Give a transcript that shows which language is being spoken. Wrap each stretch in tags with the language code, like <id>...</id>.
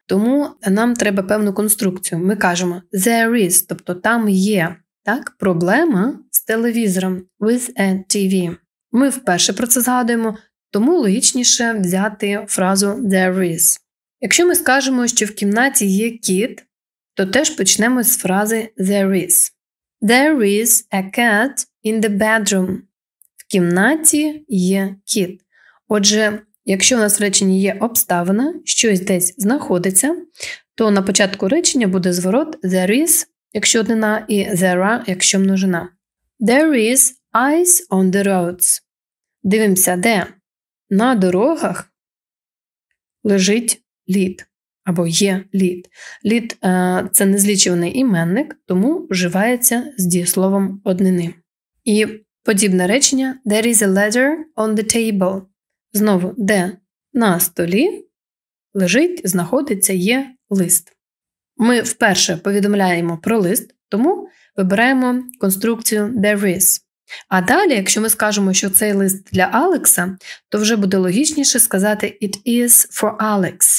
<uk>Тому нам треба певну конструкцію. Ми кажемо</uk> <en>«there is»,</en> <uk>тобто «там є». Так, проблема з телевізором,</uk> <en>with a TV.</en> <uk>Ми вперше про це згадуємо, тому логічніше взяти фразу</uk> <en>there is.</en> <uk>Якщо ми скажемо, що в кімнаті є кіт, то теж почнемо з фрази</uk> <en>there is. There is a cat in the bedroom.</en> <uk>В кімнаті є кіт. Отже, якщо у нас в реченні є обставина, щось десь знаходиться, то на початку речення буде зворот</uk> <en>there is,</en> <uk>якщо однина, і</uk> <en>there are,</en> <uk>якщо множина.</uk> <en>There is ice on the roads.</en> <uk>Дивимося, де? На дорогах лежить лід. або є лід. Лід – це незлічуваний іменник, тому вживається з дієсловом однини. І подібне речення</uk> <en>– there is a letter on the table.</en> <uk>Знову – де на столі лежить, знаходиться, є лист. Ми вперше повідомляємо про лист, тому вибираємо конструкцію</uk> <en>there is.</en> <uk>А далі, якщо ми скажемо, що цей лист для Алекса, то вже буде логічніше сказати</uk> <en>it is for Alex.</en>